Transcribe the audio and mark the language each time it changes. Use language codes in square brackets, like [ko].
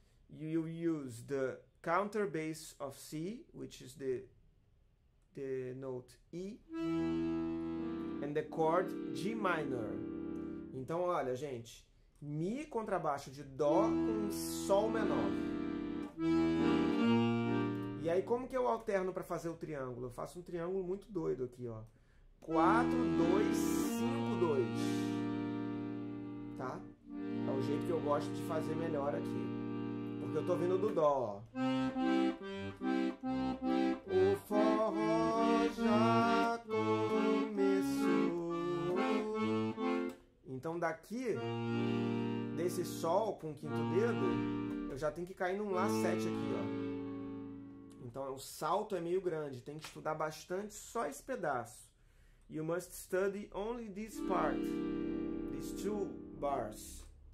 [en] You use the counter bass of C, which is the note E, and the chord G minor. [pt] Então, olha, gente, Mi contrabaixo de Dó com Sol menor. E aí, como que eu alterno para fazer o triângulo? Eu faço um triângulo muito doido aqui, ó. 4, 2, 5, 2. Tá? É o jeito que eu gosto de fazer melhor aqui. Porque eu tô vindo do dó, ó. O forró já começou. Então daqui, desse sol com o quinto dedo, eu já tenho que cair num Lá 7 aqui, ó. Então o salto é meio grande, tem que estudar bastante só esse pedaço. [en] You must study only this part, these two bars.